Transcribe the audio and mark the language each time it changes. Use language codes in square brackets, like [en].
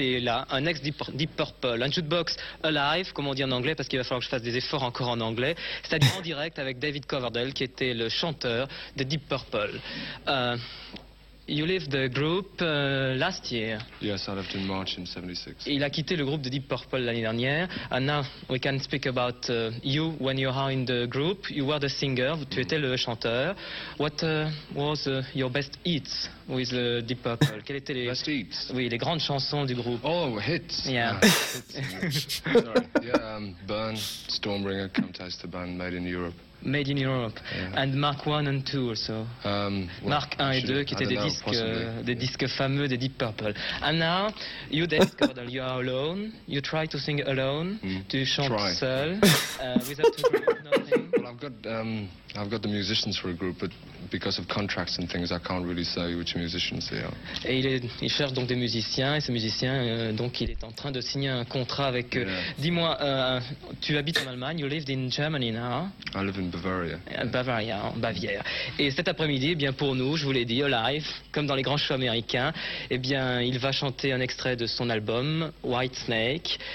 [fr] Et là, un ex-Deep Purple. Un jukebox alive, comme on dit en anglais, parce qu'il va falloir que je fasse des efforts encore en anglais. C'est-à-dire en direct avec David Coverdale, qui était le chanteur de Deep Purple. [en] You left the group last year. Yes, I left in March in 76. [fr] Il a quitté le groupe de Deep Purple l'année dernière. [en] And now we can speak about you when you are in the group. You were the singer, [fr] tu étais le chanteur. [en] What was your best hits with the Deep Purple? [fr] Quelles étaient les [en] best hits? [fr] Oui, les grandes chansons du groupe. [en] Oh, hits. Yeah. Hits. Sorry. Yeah, Burn, Stormbringer, Come Taste the Band, Made in Europe. Made in Europe, yeah. And Mark 1 and 2 also. Well, [fr] Mark 1 et 2, qui étaient des disques, des disques fameux des Deep Purple. [en] And now, you discovered that you are alone, you try to sing alone, [fr] tu chantes seul, [en] without a group, nothing. Well, I've got the musicians for a group, but because of contracts and things, I can't really say which musicians they are. [fr] Et il cherche donc des musiciens, et ce musicien, donc il est en train de signer un contrat avec eux. Yeah. Dis-moi, tu habites en Allemagne, [en] you lived in Germany now. I live in Bavaria. [fr] Bavaria, en Bavière. Et cet après-midi, eh bien pour nous, je vous l'ai dit, live, comme dans les grands shows américains, eh bien il va chanter un extrait de son album, Whitesnake.